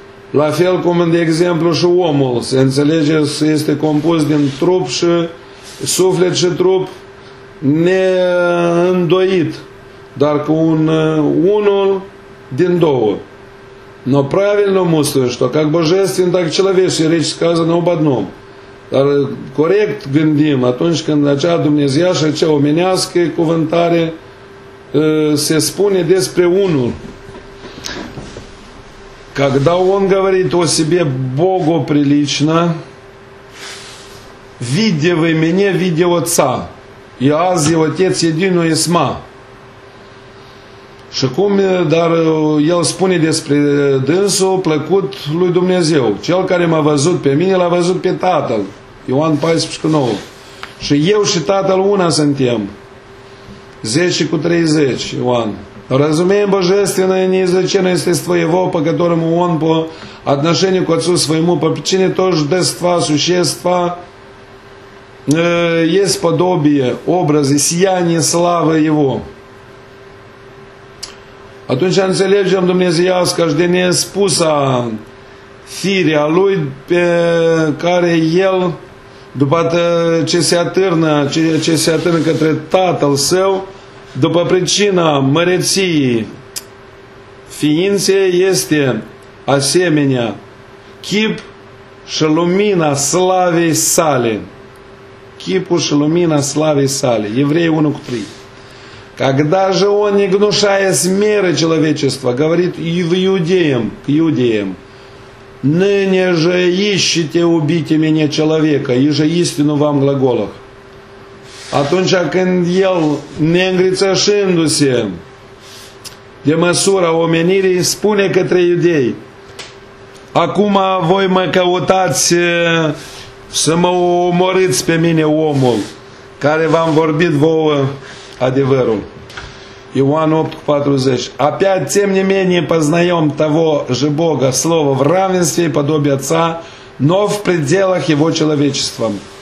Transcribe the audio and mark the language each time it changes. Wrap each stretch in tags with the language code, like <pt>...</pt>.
<ro>La fel cum, de exemplu, și omul se înțelege că este compus din trup și suflet și trup neîndoit, dar cu unul din două.</ro> <ru>Но правильно мыслим, что как божественный, так и человеческий, речь сказана об одном.</ru> <ro>Dar corect gândim atunci când acea dumnezeiașă, cea omenească cuvântare se spune despre unul.</ro> <ru>Когда он говорит о себе богоприлично, видя вы меня, видя отца, и аз его отец едино и сма.</ru> <ro>Și cum, dar el spune despre dânsul plăcut lui Dumnezeu. Cel care m-a văzut pe mine, l-a văzut pe Tatăl. Ioan 14:9. Și eu și Tatăl una suntem. 10:30, Ioan.</ro> <ru>Разумеем божественное неизреченное естество Его, по которому Он по отношению к Отцу Своему, по причине тождества существа, есть подобие, образы, сияние славы Его.</ru> <ro>Atunci înțelegem Dumnezeiasca și de nespusa firea Lui pe care El, după ce se atârnă, ce se atârnă către Tatăl Său, după pricina măreției ființei, este asemenea chip și lumina slavei sale. Chipul și lumina slavei sale. Evrei 1:3.</ro> <ru>Когда же он, не гнушаясь меры человечества, говорит иудеям, к иудеям, ныне же ищите убить меня человека, и же истину вам глаголах.</ru> <ro>Atunci când el, neîngrițășându-se de măsura omenirii, spune către iudei, acum voi mă căutați să mă omorâți pe mine omul care v-am vorbit vouă adevărul.</ro> <ru>Иоанн 8:40. Опять, тем не менее, познаем того же Бога, Слово в равенстве и подобие Отца, но в пределах Его человечеством.</ru>